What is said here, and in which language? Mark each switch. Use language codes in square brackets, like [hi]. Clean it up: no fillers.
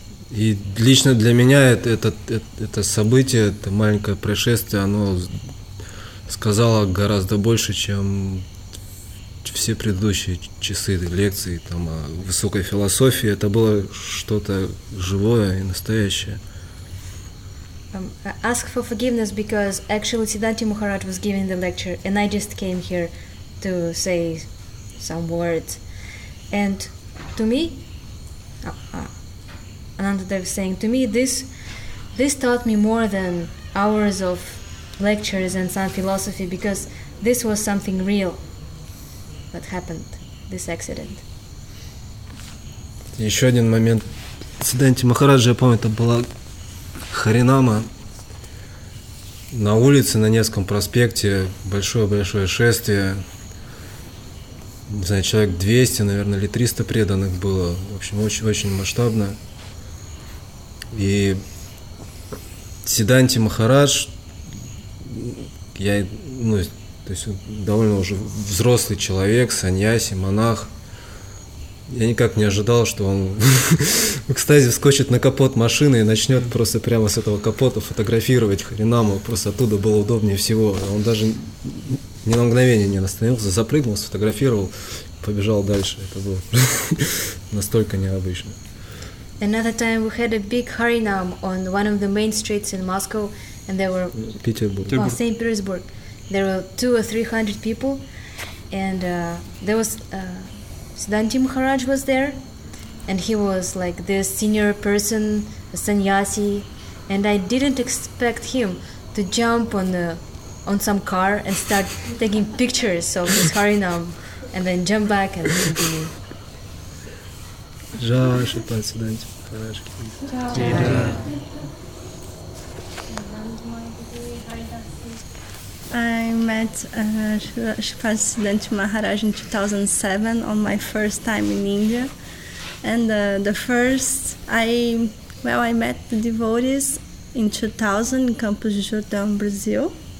[ru] И лично для меня это событие, это маленькое происшествие, оно сказало гораздо больше, чем все предыдущие часы лекции там, о высокой философии. Это было что-то живое и настоящее. [en] Ask for forgiveness because actually Siddhanti Maharaj was giving the lecture and I just came here to say some words. And to me... Anandadev is saying to me, this taught me more than hours of lectures and some philosophy, because this was something real that happened, this accident. [ru] Еще один момент. Сиддханти Махараджа, я помню, это была Харинама на улице на Невском проспекте, большое-большое шествие. Не знаю, человек 200, наверное, или 300 преданных было. В общем, очень-очень масштабно. И Сиддханти Махарадж, он довольно уже взрослый человек, саньяси, монах. Я никак не ожидал, что он в экстазе вскочит на капот машины и начнет просто прямо с этого капота фотографировать Харинаму. Просто оттуда было удобнее всего. Он даже ни на мгновение не остановился, запрыгнул, сфотографировал, побежал дальше. Это было настолько необычно. [en] Another time we had a big Harinam on one of the main streets in Moscow, and there were St. Petersburg. There were 200 or 300 people, and there was Siddhanti Maharaj was there, and he was like this senior person, a sannyasi, and I didn't expect him to jump on some car and start taking pictures of his Harinam, and then jump back and continue. [ru] Жаль, что пан Сиддханти Махарадж. [en] I met Shripad Siddhanti Maharaj in 2007 on my first time in India, and I met the devotees in 2000 in Campos de Jordão, Brazil.